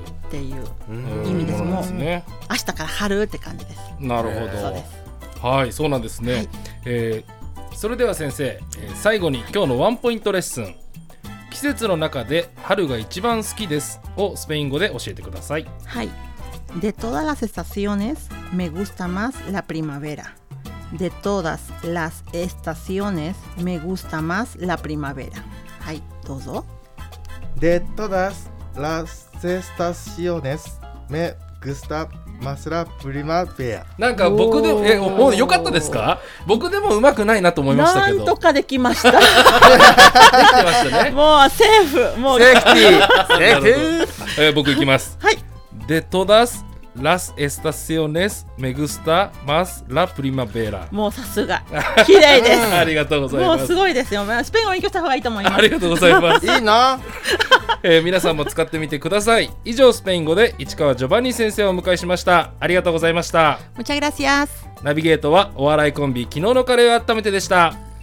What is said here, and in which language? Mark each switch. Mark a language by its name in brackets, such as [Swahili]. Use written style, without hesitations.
[Japanese] 春っていう意味です。もう明日から春って感じです。なるほど、そうです。はい、そうなんですね。はい、それでは先生、最後に今日のワンポイントレッスン、季節の中で春が一番好きですをスペイン語で教えてください。 [Spanish] はい、De todas las estaciones me gusta más la primaveraDe todas las estaciones me gusta más la primavera. [Japanese] はい、どうぞ。 [Spanish] De todas las estaciones me gusta más la primavera. [Japanese] なんか僕でも、もうよかったですか？僕でもうまくないなと思いましたけど。なんとかできました。できましたね。もうセーフ、もうセーフティー。 セーフ。僕いきます。はい。 [Spanish] De todas Las estaciones me gusta más la primavera。 [Japanese] もうさすが、綺麗です。ありがとうございます。もうすごいですよ。スペイン語勉強した方がいいと思います。ありがとうございます。いいな。皆さんも使ってみてください。以上、スペイン語で市川ジョバンニ先生をお迎えしました。ありがとうございました。 [Spanish] むちゃぐらしやす。 [Japanese] ナビゲートはお笑いコンビ昨日のカレーを温めてでした。